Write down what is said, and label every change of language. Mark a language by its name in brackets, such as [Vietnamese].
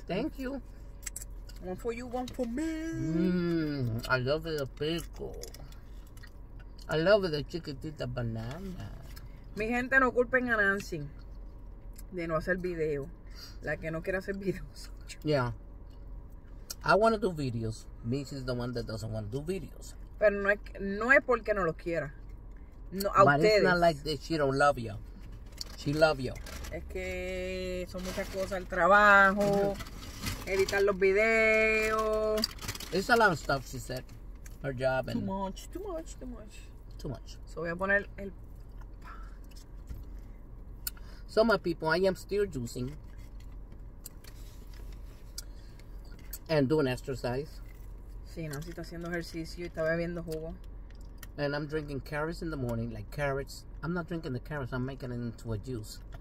[English] Thank you. One for you, one for me. I love the pickle. I love the chiquitita banana. [Spanish] Mi gente, no culpen a Nancy de no hacer video. La que no quiere hacer videos. [English] Yeah. I want to do videos. Mitch is the one that doesn't want to do videos. [Spanish] Pero no es porque no lo quiera. No, a [English] but But it's not like that she don't love you. She love you. [Spanish] Es que son muchas cosas. El trabajo, editar los videos. [English] It's a lot of stuff, she said. Her job. And too much. Too much. [Spanish] So voy a poner el... [English] So my people, I am still juicing. And doing exercise. [Spanish] Sí, Nancy está haciendo ejercicio y está bebiendo jugo. [English] And I'm drinking carrots in the morning, like carrots. I'm not drinking the carrots, I'm making it into a juice.